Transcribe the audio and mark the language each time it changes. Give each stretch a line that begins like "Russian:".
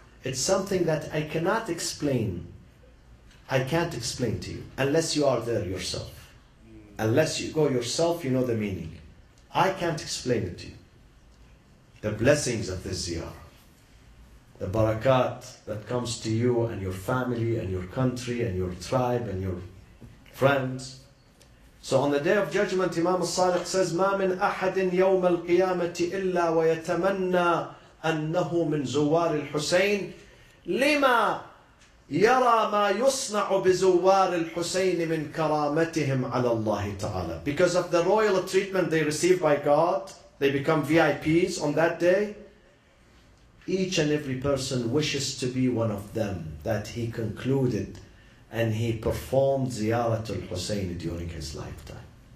English: It's something that I cannot explain. I can't explain to you unless you are there yourself. unless you go yourself, you know the meaning. I can't explain it to you. The blessings of this ziyarah. The barakat that comes to you and your family and your country and your tribe and your friends. So on the Day of Judgment, Imam al-Sadiq says,
Arabic: مَا مِنْ أَحَدٍ يَوْمَ الْقِيَامَةِ إِلَّا وَيَتَمَنَّى أَنَّهُ مِنْ زُوَّارِ الْحُسَيْنِ لِمَا يَرَى مَا يُصْنَعُ بِزُوَّارِ الْحُسَيْنِ مِنْ كَرَامَتِهِمْ عَلَى اللَّهِ تَعَالَى.
English: Because of the royal treatment they receive by God, they become VIPs on that day. Each and every person wishes to be one of them that he concluded and he performed Ziyaratul Husayn during his lifetime.